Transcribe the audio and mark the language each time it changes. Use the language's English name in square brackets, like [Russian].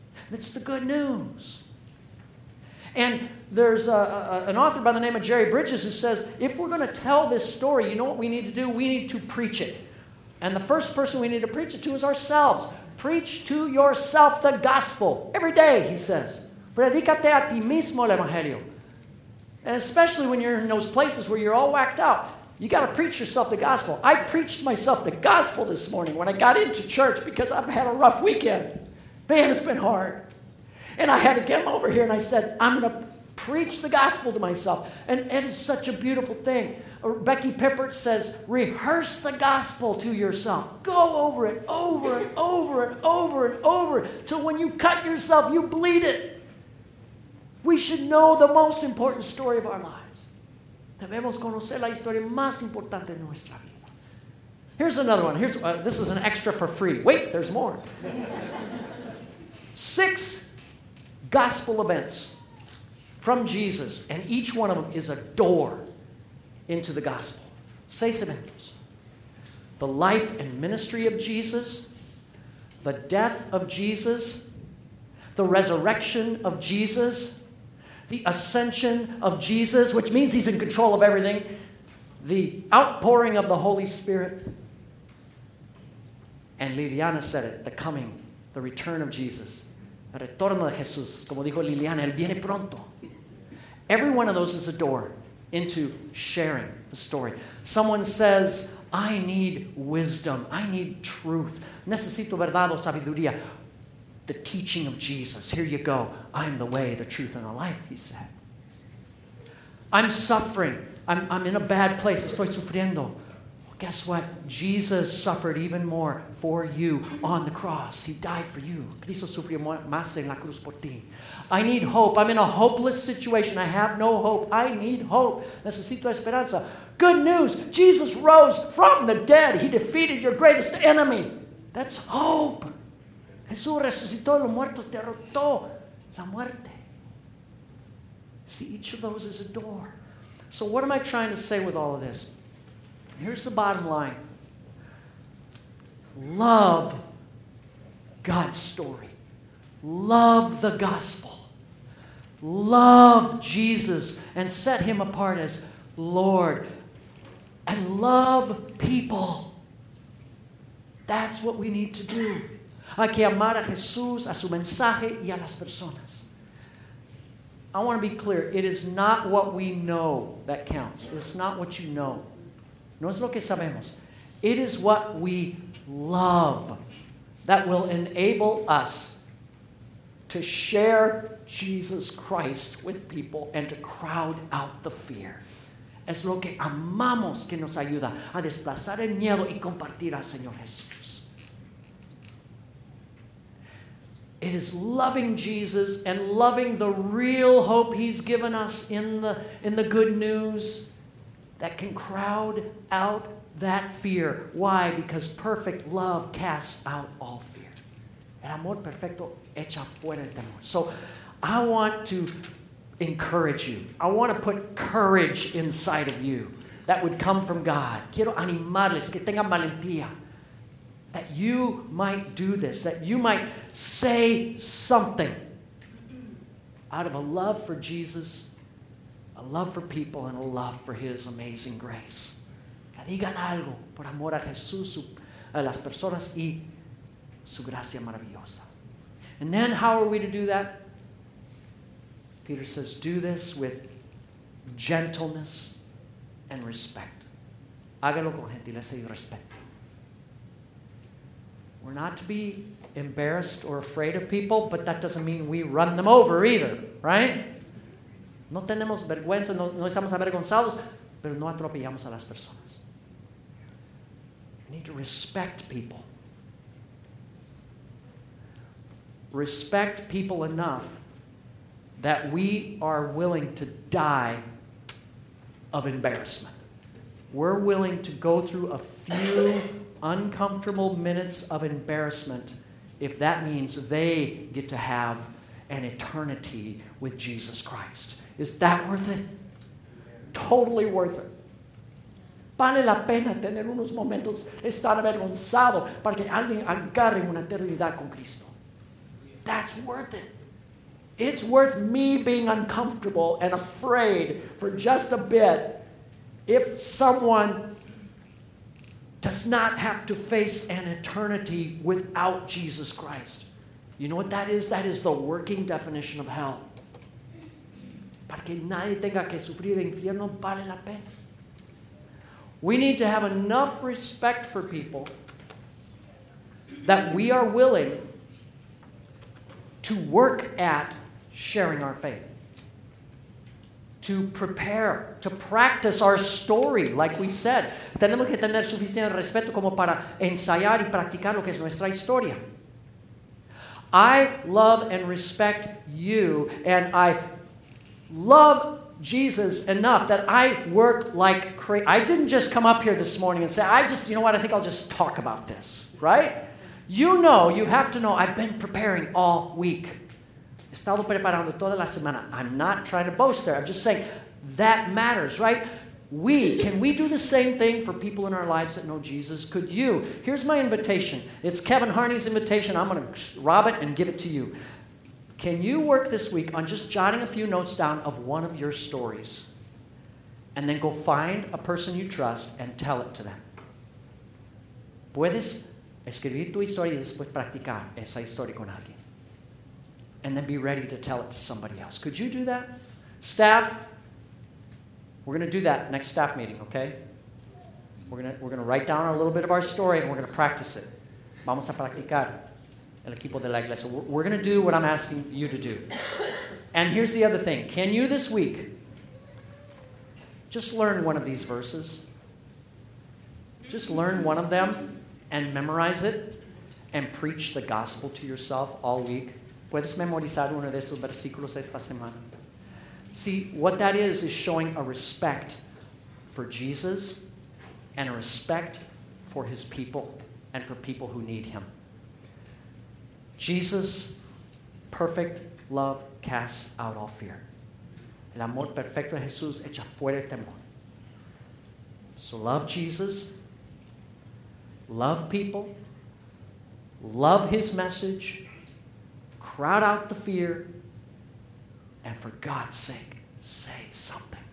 [English] That's the good news. And there's an author by the name of Jerry Bridges who says, if we're going to tell this story, you know what we need to do? We need to preach it. And the first person we need to preach it to is ourselves. Preach to yourself the gospel. Every day, he says. [Spanish] Predícate a ti mismo el Evangelio. [English] And especially when you're in those places where you're all whacked out. You got to preach yourself the gospel. I preached myself the gospel this morning when I got into church because I've had a rough weekend. Man, it's been hard. And I had to get over here and I said, I'm going to preach the gospel to myself. And it is such a beautiful thing. Becky Pippert says, rehearse the gospel to yourself. Go over it, over and over and over and over, till when you cut yourself, you bleed it. We should know the most important story of our lives. [Spanish] Debemos conocer la historia más importante de nuestra vida. [English] Here's another one. This is an extra for free. Wait, there's more. 6 gospel events from Jesus, and each one of them is a door into the gospel. [Spanish] Seis eventos. [English] The life and ministry of Jesus, the death of Jesus, the resurrection of Jesus, the ascension of Jesus, which means He's in control of everything, the outpouring of the Holy Spirit, and Liliana said it, the coming, the return of Jesus. [Spanish] El retorno de Jesús, como dijo Liliana, Él viene pronto. [English] Every one of those is a door into sharing the story. Someone says, I need wisdom. I need truth. [Spanish] Necesito verdad o sabiduría. [English] The teaching of Jesus. Here you go. I'm the way, the truth, and the life, he said. I'm suffering. I'm in a bad place. [Spanish] Estoy sufriendo. [English] Guess what? Jesus suffered even more for you on the cross. He died for you. [Spanish] Cristo sufrió más en la cruz por ti. [English] I need hope. I'm in a hopeless situation. I have no hope. I need hope. [Spanish] Necesito esperanza. [English] Good news. Jesus rose from the dead. He defeated your greatest enemy. That's hope. [Spanish] Jesús resucitó los muertos, derrotó la muerte. [English] See, each of those is a door. So what am I trying to say with all of this? Here's the bottom line. Love God's story. Love the gospel. Love Jesus and set him apart as Lord. And love people. That's what we need to do. [Spanish] Hay que amar a Jesús, a su mensaje y a las personas. [English] I want to be clear. It is not what we know that counts. It's not what you know. [Spanish] No es lo que sabemos. [English] It is what we love that will enable us to share Jesus Christ with people and to crowd out the fear. [Spanish] Es lo que amamos que nos ayuda a desplazar el miedo y compartir al Señor Jesús. [English] It is loving Jesus and loving the real hope he's given us in the good news that can crowd out that fear. Why? Because perfect love casts out all fear. [Spanish] El amor perfecto echa fuera el temor. [English] So I want to encourage you. I want to put courage inside of you that would come from God. [Spanish] Quiero animarles que tengan valentía. [English] That you might do this. That you might say something out of a love for Jesus, a love for people, and a love for his amazing grace. [Spanish] Que digan algo por amor a Jesús, a las personas y su gracia maravillosa. [English] And then how are we to do that? Peter says, do this with gentleness and respect. [Spanish] Hágalo con gentileza y respeto. [English] We're not to be embarrassed or afraid of people, but that doesn't mean we run them over either, right? [Spanish] No tenemos vergüenza, no estamos avergonzados, pero no atropellamos a las personas. [English] We need to respect people. Respect people enough that we are willing to die of embarrassment. We're willing to go through a few uncomfortable minutes of embarrassment if that means they get to have an eternity with Jesus Christ. Is that worth it? Totally worth it. [Spanish] Vale la pena tener unos momentos de estar avergonzado para que alguien agarre una eternidad con Cristo. [English] That's worth it. It's worth me being uncomfortable and afraid for just a bit if someone does not have to face an eternity without Jesus Christ. You know what that is? That is the working definition of hell. [Spanish] Para que nadie tenga que sufrir el infierno, vale la pena. [English] We need to have enough respect for people that we are willing to work at sharing our faith. To prepare, to practice our story, like we said. [Spanish] Tenemos que tener suficiente respeto como para ensayar y practicar lo que es nuestra historia. [English] I love and respect you, and I love Jesus enough that I work like crazy. I didn't just come up here this morning and say, I think I'll just talk about this, right? You know, you have to know, I've been preparing all week. [Spanish] He estado preparando toda la semana. [English] I'm not trying to boast there. I'm just saying that matters, right? Can we do the same thing for people in our lives that know Jesus? Could you? Here's my invitation. It's Kevin Harney's invitation. I'm going to rob it and give it to you. Can you work this week on just jotting a few notes down of one of your stories and then go find a person you trust and tell it to them? [Spanish] Puedes escribir tu historia y después practicar esa historia con alguien. [English] And then be ready to tell it to somebody else. Could you do that? Staff, we're going to do that next staff meeting, okay? We're going to write down a little bit of our story and we're going to practice it. [Spanish] Vamos a practicar el equipo de la iglesia. [English] We're going to do what I'm asking you to do. And here's the other thing. Can you this week just learn one of these verses? Just learn one of them and memorize it and preach the gospel to yourself all week. [Spanish] Puedes memorizar uno de esos versículos esta semana. [English] See, what that is showing a respect for Jesus and a respect for his people and for people who need him. Jesus' perfect love casts out all fear. [Spanish] El amor perfecto de Jesús echa fuera el temor. [English] So love Jesus, love people, love his message, crowd out the fear, and for God's sake, say something.